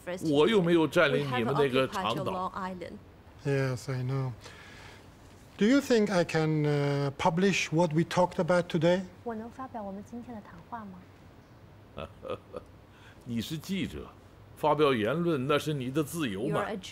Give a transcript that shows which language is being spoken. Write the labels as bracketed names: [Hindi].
[Chinese] 我又没有占领你们那个长岛。 [English] Yes, I know. Do you think I can publish what we talked about today? [Chinese] 我能发表我们今天的谈话吗？你是记者。发表言论那是你的自由嘛。